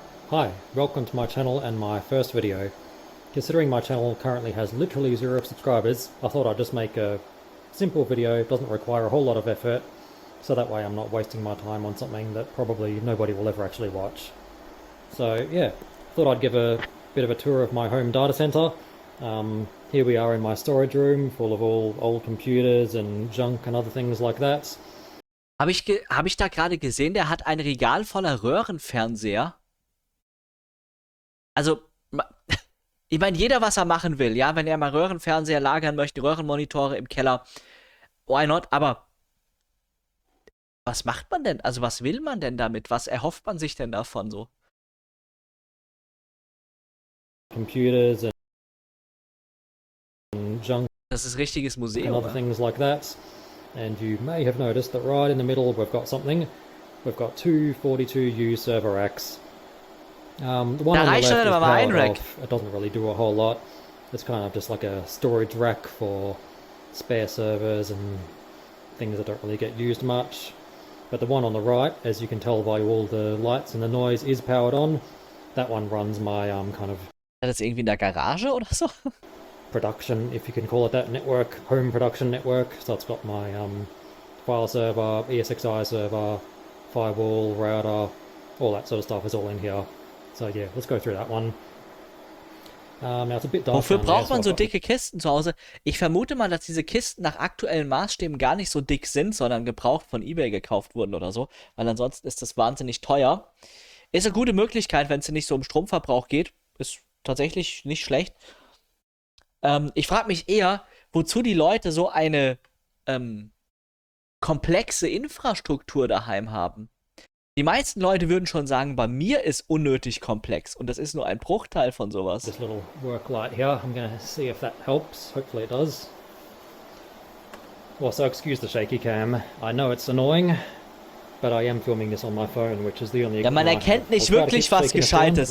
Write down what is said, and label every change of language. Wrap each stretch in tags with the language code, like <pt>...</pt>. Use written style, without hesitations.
<en>Hi, welcome to my channel and my first video. Considering my channel currently has literally zero subscribers, I thought I'd just make a simple video, doesn't require a whole lot of effort, so that way I'm not wasting my time on something that probably nobody will ever actually watch. So yeah, thought I'd give a bit of a tour of my home data center. Here we are in my storage room, full of all old computers and junk and other things like that.</en> <de>Habe ich da gerade gesehen, der hat ein Regal voller Röhrenfernseher. Also, ich meine, jeder, was er machen will, ja, wenn er mal Röhrenfernseher lagern möchte, Röhrenmonitore im Keller,</de> <en>why not?</en> <de>Aber was macht man denn? Also, was will man denn damit? Was erhofft man sich denn davon so?</de> <en>Computers and junk.</en> <de>Das ist richtiges Museum.</de> <en>And other things like that. And you may have noticed that right in the middle we've got something. We've got two 42U server racks. The one on the left is powered off. It doesn't really do a whole lot. It's kind of just like a storage rack for spare servers and things that don't really get used much. But the one on the right, as you can tell by all the lights and the noise, is powered on. That one runs my kind of...</en> <de>Ist das irgendwie in der Garage oder so?</de> <en>Production, if you can call it that, network, home production network. So it's got my file server, ESXi server, firewall, router, all that sort of stuff is all in here. So yeah, let's go through that one. Now it's a bit dark.</en> <de>Wofür braucht man so dicke Kisten zu Hause? Ich vermute mal, dass diese Kisten nach aktuellen Maßstäben gar nicht so dick sind, sondern gebraucht von eBay gekauft wurden oder so, weil ansonsten ist das wahnsinnig teuer. Ist eine gute Möglichkeit, wenn es nicht so um Stromverbrauch geht. Ist tatsächlich nicht schlecht. Ich frage mich eher, wozu die Leute so eine komplexe Infrastruktur daheim haben. Die meisten Leute würden schon sagen, bei mir ist unnötig komplex und das ist nur ein Bruchteil von sowas.</de> <en>This little work light here, I'm gonna see if that helps. Hopefully it does. Well, so excuse the shaky cam. I know it's annoying, but I am filming this on my phone, which is the only...</en> <de>Ja, man erkennt nicht wirklich was Gescheites.</de>